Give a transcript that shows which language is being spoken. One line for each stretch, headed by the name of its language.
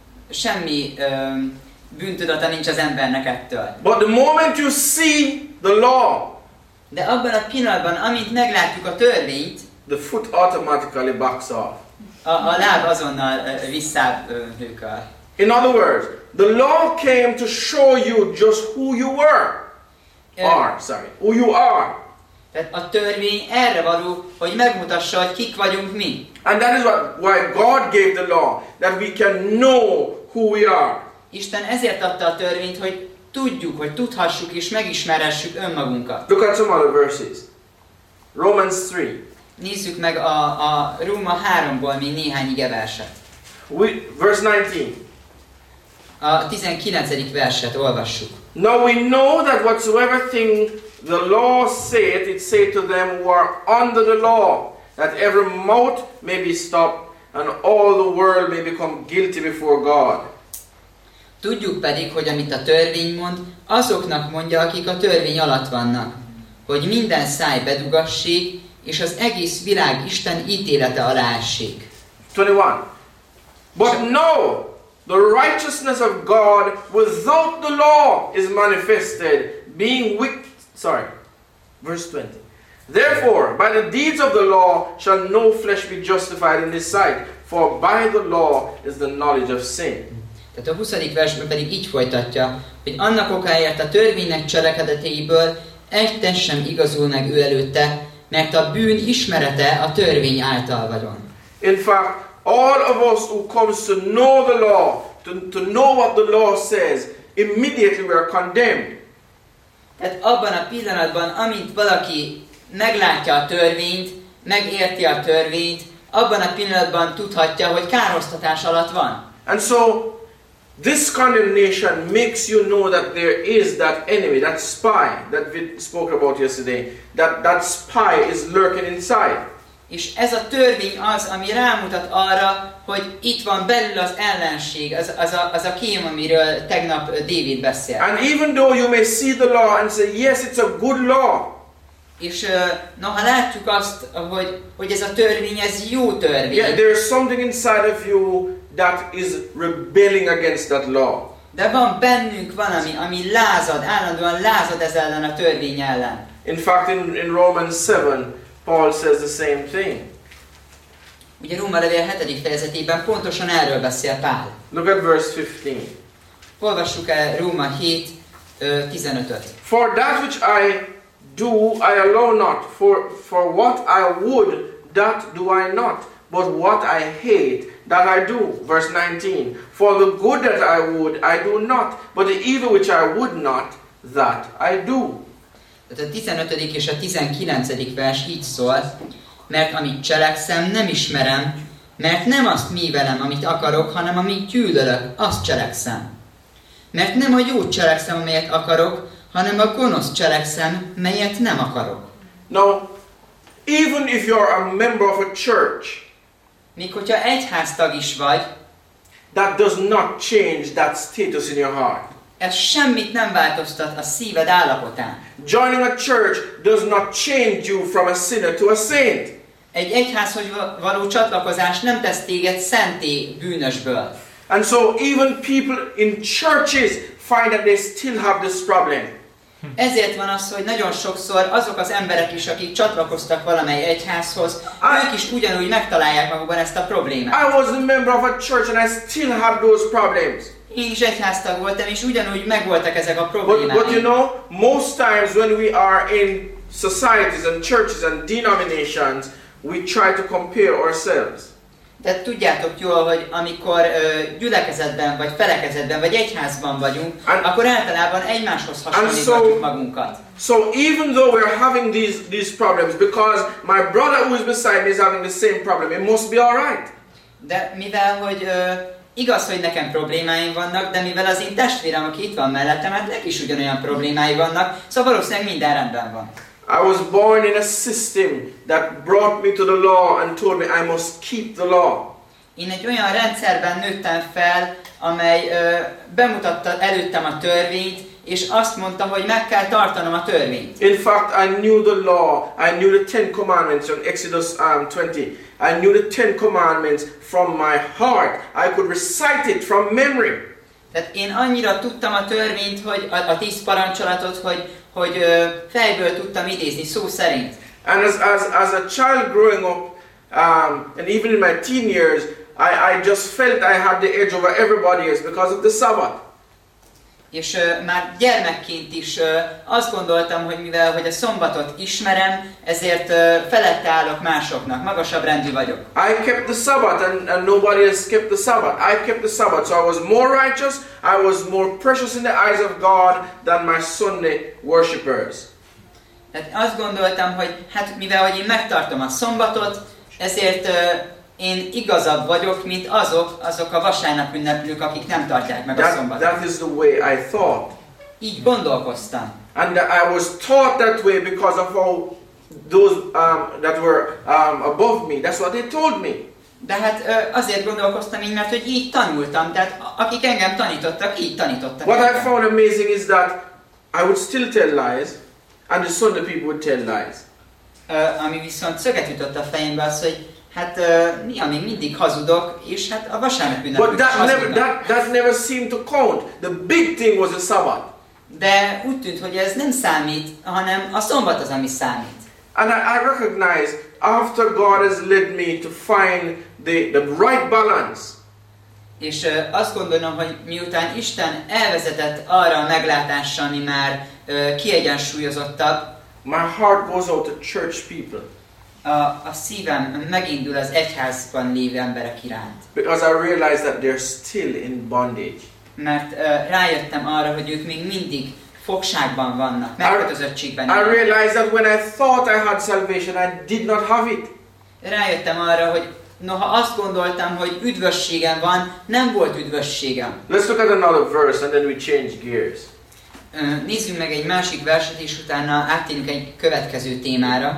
Hungarian: Semmi bűntudata nincs az embernek ettől.
English: But the moment you see the law,
Hungarian: de abban a pillanatban, amint meglátjuk a törvényt,
English: the foot automatically backs off.
Hungarian: A láb azonnal visszább hőköl.
English: In other words, the law came to show you just who you were. Who you are.
Hungarian: Tehát a törvény erre való, hogy megmutassa, hogy kik vagyunk mi.
English: And that is why God gave the law, that we can know who we are.
Hungarian: Isten ezért adta a törvényt, hogy tudjuk, hogy tudhassuk és megismerhessük önmagunkat.
English: Look at some other verses. Romans 3.
Hungarian: Nézzük meg a Róma 3-ból még néhány igeverset.
English: Verse 19.
Hungarian: A 19. verset olvassuk.
English: Now we know that whatsoever thing the law saith, it saith to them who are under the law, that every mouth may be stopped, and all the world may become guilty before God.
Hungarian: Tudjuk pedig, hogy amit a törvény mond, azoknak mondja, akik a törvény alatt vannak, hogy minden száj bedugassék, és az egész világ Isten ítélete alá essék.
English: 21. But no, the righteousness of God without the law is manifested, being witnessed. Sorry, verse 20. Therefore, by the deeds of the law shall no flesh be justified in his sight, for by the law is the knowledge of sin.
Hungarian: Tehát a 20. versben pedig így folytatja, hogy annak okáért a törvénynek cselekedeteiből egy test sem igazul meg ő előtte, mert a bűn ismerete a törvény által vagyon.
English: In fact, all of us who comes to know the law, to know what the law says, immediately we are condemned.
Hungarian: Tehát abban a pillanatban, amint valaki meglátja a törvényt, megérti a törvényt, abban a pillanatban tudhatja, hogy károsztatás alatt van.
English: And so, this condemnation makes you know that there is that enemy, that spy that we spoke about yesterday, that spy is lurking inside.
Hungarian: És ez a törvény az, ami rámutat arra, hogy itt van belül az ellenség, az a kém, amiről tegnap David beszélt.
English: And even though you may see the law and say, yes, it's a good law.
Hungarian: És noha látjuk azt, hogy ez a törvény, ez jó törvény.
English: Yeah, there is something inside of you that is rebelling against that law.
Hungarian: De van bennünk valami, ami lázad, állandóan lázad ez ellen a törvény ellen.
English: In fact, in Romans 7, Paul says the same thing.
Hungarian: Ugye Róma levél 7. fejezetében pontosan erről beszél Pál.
English: Look at verse 15.
Hungarian: Olvassuk el Róma 7:15-öt.
English: For that which I do, I allow not. For what I would, that do I not. But what I hate, that I do. Verse 19. For the good that I would, I do not. But the evil which I would not, that I do.
Hungarian: Tehát a 15. és a 19. vers így szól, mert amit cselekszem, nem ismerem, mert nem azt mívelem, amit akarok, hanem amit gyűlölök, azt cselekszem. Mert nem a jót cselekszem, amelyet akarok, hanem a gonosz cselekszem, melyet nem akarok.
English: Now, even if you are a member of a church,
Hungarian: még hogyha egyháztag is vagy,
English: that does not change that status in your heart.
Hungarian: Ez semmit nem változtat a szíved állapotán.
English: Joining a church does not change you from a sinner to a saint.
Hungarian: Egy egyházhoz való csatlakozás nem tesz téged szenté bűnösből.
English: And so even people in churches find that they still have this problem.
Hungarian: Ezért van az, hogy nagyon sokszor azok az emberek is, akik csatlakoztak valamely egyházhoz, ők is ugyanúgy megtalálják magukban ezt a problémát.
English: I was a member of a church and I still have those problems.
Hungarian: Én is egyháztag voltam, és ugyanúgy megvoltak ezek a problémák.
English: But you know, most times when we are in societies and churches and denominations, we try to compare ourselves.
Hungarian: De tudjátok jól, hogy amikor gyülekezetben, vagy felekezetben, vagy egyházban vagyunk,
English: and,
Hungarian: akkor általában egymáshoz hasonlítjuk magunkat.
English: So even though we are having these problems, because my brother who is beside me is having the same problem, it must be all right.
Hungarian: De mivel, hogy igaz, hogy nekem problémáim vannak, de mivel az én testvérem, aki itt van mellettem, hát neki is ugyanolyan problémái vannak, szóval valószínűleg minden rendben van.
English: I was born in a system that brought me to the law and told me I must keep the law.
Hungarian: Én egy olyan rendszerben nőttem fel, amely bemutatta előttem a törvényt, és azt mondta, hogy meg kell tartanom a törvényt.
English: In fact, I knew the law, I knew the Ten Commandments on Exodus 20. I knew the Ten Commandments from my heart. I could recite it from memory.
Hungarian: Tehát én annyira tudtam a törvényt, hogy a tíz parancsolatot, hogy fejből tudtam idézni szó szerint.
English: And as a child growing up, and even in my teen years, I just felt I had the edge over everybody else because of the Sabbath.
Hungarian: És már gyermekként is azt gondoltam, hogy mivel hogy a szombatot ismerem, ezért felette állok másoknak, magasabb rendű vagyok.
English: I kept the Sabbath and nobody else kept the Sabbath. I kept the Sabbath, so I was more righteous, I was more precious in the eyes of God than my Sunday worshippers.
Hungarian: Tehát azt gondoltam, hogy hát mivel hogy én megtartom a szombatot, ezért én igazabb vagyok, mint azok a vasárnap ünneplők, akik nem tartják meg a szombatot.
English: That is the way I thought.
Hungarian: Így gondolkoztam.
English: And I was taught that way because of how those that were above me. That's what they told me.
Hungarian: De hát azért gondolkoztam így, mert hogy így tanultam. Tehát akik engem tanítottak, így tanítottak.
English: What I found amazing is that I would still tell lies, and the Sunday people would tell lies.
Hungarian: Ami viszont szöget ütött a fejembe az, hogy Hát mi amíg mindig hazudok, és hát a vasárnap ünnepünk.
English: But that never seemed to count. The big thing was the Sabbath.
Hungarian: De úgy tűnt, hogy ez nem számít, hanem a szombat az, ami számít.
English: And I recognize after God has led me to find the right balance.
Hungarian: És azt gondolom, hogy miután Isten elvezetett arra a meglátásra, ami már kiegyensúlyozottabb.
English: My heart goes out to church people.
Hungarian: A szívem megindul az egyházban lévő emberek iránt.
English: Because I realize that they're still in bondage.
Hungarian: Mert rájöttem arra, hogy ők még mindig fogságban vannak, megkötözöttségben.
English: I realize that when I thought I had salvation, I did not have it.
Hungarian: Rájöttem arra, hogy noha azt gondoltam, hogy üdvösségem van, nem volt üdvösségem.
English: Let's look at another verse and then we change gears.
Hungarian: Nézzünk meg egy másik verset, és utána áttérünk egy következő témára.